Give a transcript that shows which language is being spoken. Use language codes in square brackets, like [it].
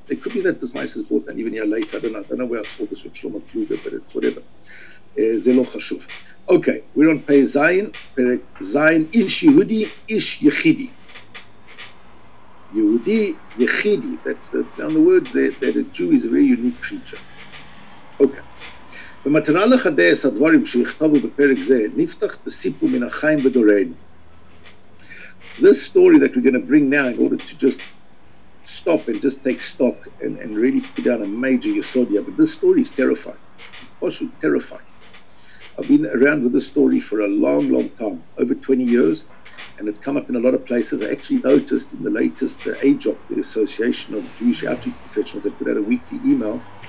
[en] It could be that this mice is bought and even here later. I don't know where I saw this with Shlomo Kluge, but it's whatever. [he] Zelo chashuv. [en] Okay, we're on Pei Zayin, Perek Zayin, Ish Yehudi, Ish Yechidi. Yehudi Yechidi, that's the, in other words, that a Jew is a very unique creature. Okay. [he] במטרה לחדש הדברים שיכתבו בפרק זה, נפתח בסיפור מן החיים ודורנו. [en] This story that we're going to bring now in order to just stop and just take stock and really put down a major yesodia, but this story is terrifying. Also terrifying. I've been around with this story for a long, long time, over 20 years, and it's come up in a lot of places. I actually noticed in the latest AJOP, the Association of Jewish Outreach Professionals, that put out a weekly email.